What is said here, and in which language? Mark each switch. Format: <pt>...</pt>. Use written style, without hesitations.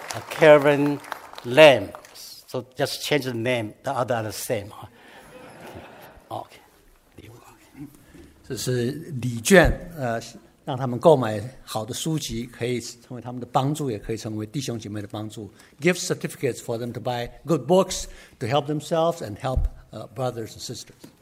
<en>Kevin Lam, so just change the name, the other are the same. Okay.</en> <zh>这是礼券，让他们购买好的书籍，可以成为他们的帮助，也可以成为弟兄姐妹的帮助。</zh> <en>Gift certificates for them to buy good books to help themselves and help brothers and sisters.</en>